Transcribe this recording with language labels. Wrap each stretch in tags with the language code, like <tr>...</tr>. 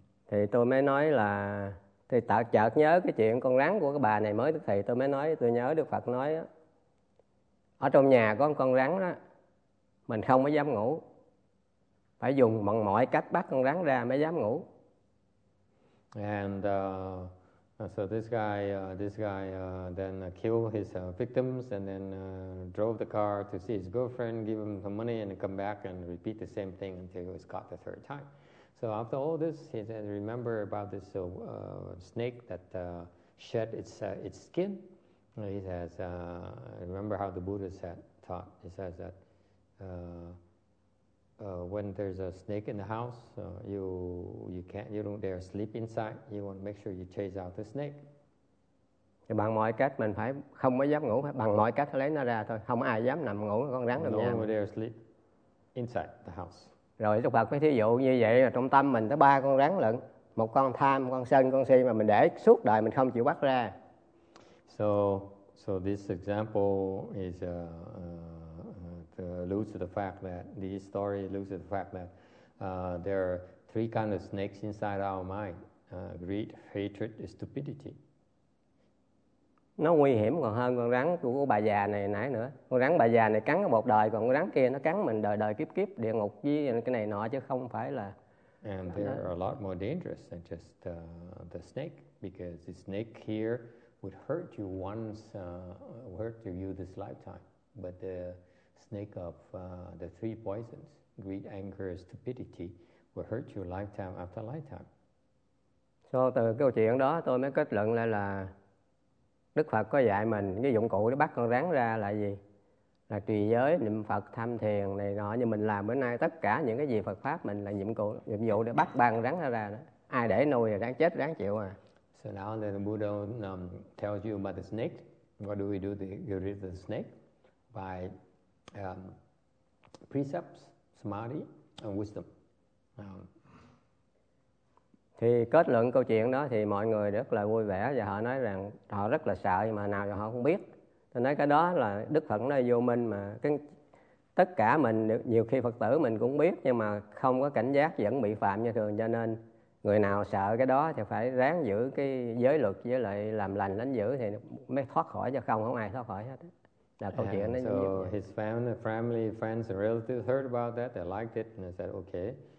<vi>Thì tôi mới nói là, thì chợt nhớ cái chuyện con rắn của cái bà này mới tức thì tôi mới nói, tôi nhớ Đức Phật nói đó, ở trong nhà có con rắn đó, mình không có dám ngủ. Phải dùng bằng mọi cách bắt con rắn ra mới dám ngủ.</vi> <en>And so this guy then killed his victims and then drove the car to see his girlfriend, give him some money and come back and repeat the same thing until he was caught the third time. So after all this, he said, remember about this snake that shed its skin. He says, remember how the Buddha said, taught, he says that when there's a snake in the house, you don't dare sleep inside. You want to make sure you chase out the snake.</en> <vi>Thì bằng mọi cách mình phải không có dám ngủ, phải bằng mọi cách lấy nó ra thôi. Không ai dám nằm ngủ con rắn trong nhà.</vi> <en>No one dare sleep inside the house.</en> <vi>Rồi Đức Phật mới thí dụ như vậy là trong tâm mình tới ba con rắn lận, một con tham, con sân, con si mà mình để suốt đời mình không chịu bắt ra.</vi> <en>So this example is the fact that there are three kinds of snakes inside our mind: greed, hatred, stupidity.</en> <vi>Nó nguy hiểm còn hơn con rắn của bà già này nãy nữa. Con rắn bà già này cắn một đời, còn con rắn kia nó cắn mình đời đời kiếp kiếp địa ngục với cái này nọ chứ không phải là.</vi> <en>And they are a lot more dangerous than just the snake, because the snake here would hurt you once, hurt you this lifetime, but the snake of the three poisons, greed, anger, stupidity, will hurt you lifetime after lifetime. So</en> <vi>từ câu chuyện đó tôi mới kết luận lại là Đức Phật có dạy mình cái dụng cụ để bắt con rắn ra là gì? Là trì giới, niệm Phật, tham thiền này nọ. Như mình làm bữa nay tất cả những cái gì Phật pháp mình là nhiệm vụ để bắt ba con rắn ra đó. Ai để nuôi thì ráng chết, ráng chịu à.</vi> <en>So now the Buddha tells you about the snake. What do we do to get rid of the snake? By precepts, samadhi, and wisdom.</en> <vi>Thì kết luận câu chuyện đó thì mọi người rất là vui vẻ và họ nói rằng họ rất là sợ mà nào giờ họ không biết. Tôi nói cái đó là Đức Phật nói vô minh mà cái, tất cả mình nhiều khi Phật tử mình cũng biết nhưng mà không có cảnh giác vẫn bị phạm như thường, cho nên người nào sợ cái đó thì phải ráng giữ cái giới luật với lại làm lành đánh giữ thì mới thoát khỏi, cho không ai thoát khỏi hết. Là câu chuyện nó</vi> <en>so</en> <vi>như</vi> <en>his family, friends and relatives heard about that, they liked it and they said okay.</en>